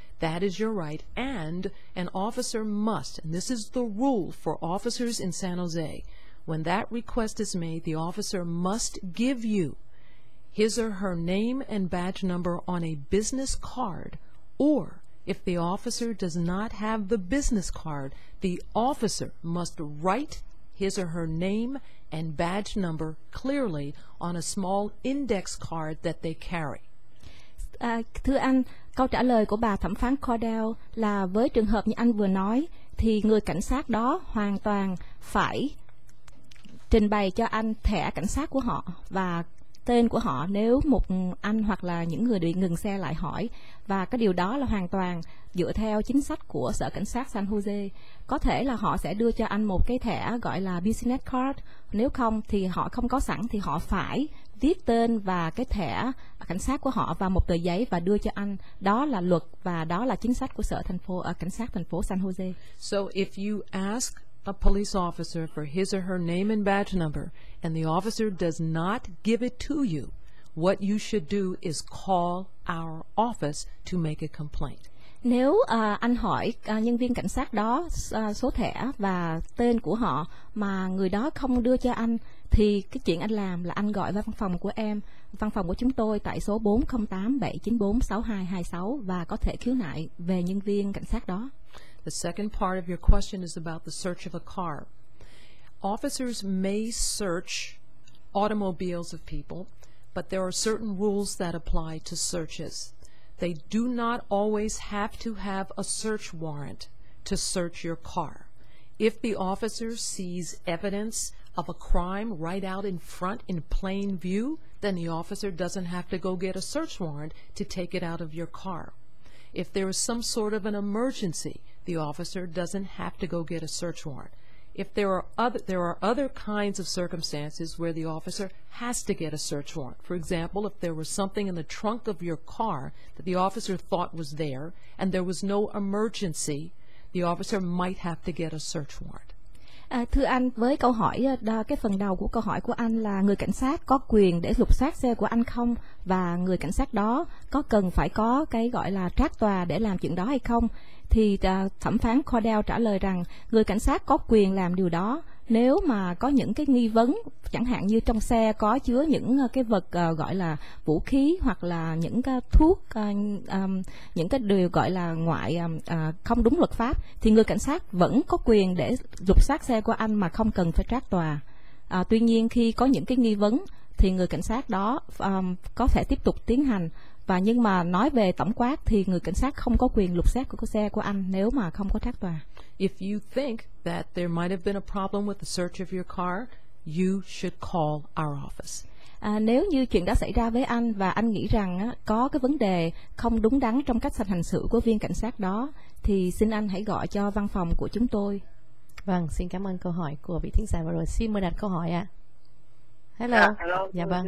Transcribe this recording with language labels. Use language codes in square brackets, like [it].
[en] That is your right, and an officer must, and this is the rule for officers in San Jose, when that request is made, the officer must give you his or her name and badge number on a business card, or if the officer does not have the business card, the officer must write his or her name and badge number clearly on a small index card that they carry. [vi] Thưa anh, câu trả lời của bà thẩm phán Cordell là với trường hợp như anh vừa nói thì người cảnh sát đó hoàn toàn phải trình bày cho anh thẻ cảnh sát của họ và tên của họ nếu một anh hoặc là những người bị ngừng xe lại hỏi. Và cái điều đó là hoàn toàn dựa theo chính sách của sở cảnh sát San Jose. Có thể là họ sẽ đưa cho anh một cái thẻ gọi là business card, nếu không thì họ không có sẵn thì họ phải viết tên và cái thẻ cảnh sát của họ vào một tờ giấy và đưa cho anh. Đó là luật và đó là chính sách của sở thành phố cảnh sát thành phố San Jose. [en] So if you ask a police officer for his or her name and badge number and the officer does not give it to you, What you should do is call our office to make a complaint. [vi] Nếu anh hỏi nhân viên cảnh sát đó số thẻ và tên của họ mà người đó không đưa cho anh, thì cái chuyện anh làm là anh gọi vào văn phòng của em, văn phòng của chúng tôi tại số 408-794-6226 và có thể khiếu nại về nhân viên cảnh sát đó. [en] The second part of your question is about the search of a car. Officers may search automobiles of people, but there are certain rules that apply to searches. They do not always have to have a search warrant to search your car. If the officer sees evidence of a crime right out in front in plain view, then the officer doesn't have to go get a search warrant to take it out of your car. If there is some sort of an emergency, the officer doesn't have to go get a search warrant. If there are other kinds of circumstances where the officer has to get a search warrant. For example, if there was something in the trunk of your car that the officer thought was there and there was no emergency, the officer might have to get a search warrant. [vi] Thưa anh, với câu hỏi cái phần đầu của câu hỏi của anh là người cảnh sát có quyền để lục soát xe của anh không, và người cảnh sát đó có cần phải có cái gọi là trác tòa để làm chuyện đó hay không? Thì thẩm phán Cordell trả lời rằng người cảnh sát có quyền làm điều đó nếu mà có những cái nghi vấn, chẳng hạn như trong xe có chứa những cái vật gọi là vũ khí hoặc là những cái thuốc, những cái điều gọi là ngoại không đúng luật pháp, thì người cảnh sát vẫn có quyền để lục soát xe của anh mà không cần phải trác tòa. Tuy nhiên khi có những cái nghi vấn thì người cảnh sát đó có thể tiếp tục tiến hành. Và nhưng mà nói về tổng quát thì người cảnh sát không có quyền lục soát của xe của anh nếu mà không có trác tòa. [en] If you think that there might have been a problem with the search of your car, you should call our office. [vi] Nếu như chuyện đã xảy ra với anh và anh nghĩ rằng có cái vấn đề không đúng đắn trong cách hành xử của viên cảnh sát đó, thì xin anh hãy gọi cho văn phòng của chúng tôi. Vâng, xin cảm ơn câu hỏi của vị thính giả vừa rồi. Xin mời đặt câu hỏi ạ. Hello. Dạ, hello. Dạ, tôi vâng.